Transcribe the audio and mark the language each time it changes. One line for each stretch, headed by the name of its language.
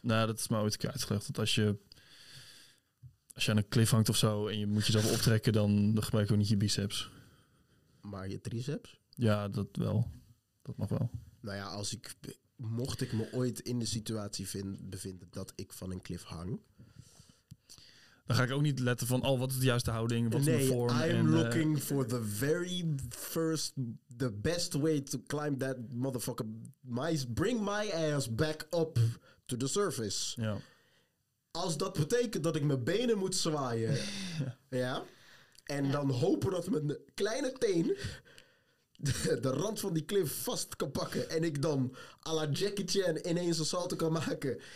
Dutch: Nou, dat is me ooit uitgelegd. Dat als je aan een cliff hangt of zo en je moet jezelf optrekken, dan gebruik je ook niet je biceps. Maar je triceps? Ja, dat wel. Dat mag wel. Nou ja, mocht ik me ooit in de situatie bevinden dat ik van een cliff hang... Dan ga ik ook niet letten van, wat is de juiste houding, wat is mijn vorm.
English: Nee, I'm looking for the very first, the best way to climb that motherfucker. Bring my ass back up to the surface.
Dutch: Ja. Als dat betekent dat ik mijn benen moet zwaaien. Dan hopen dat mijn kleine teen de rand van die klif vast kan pakken. En ik dan à la Jackie Chan ineens een salto kan maken.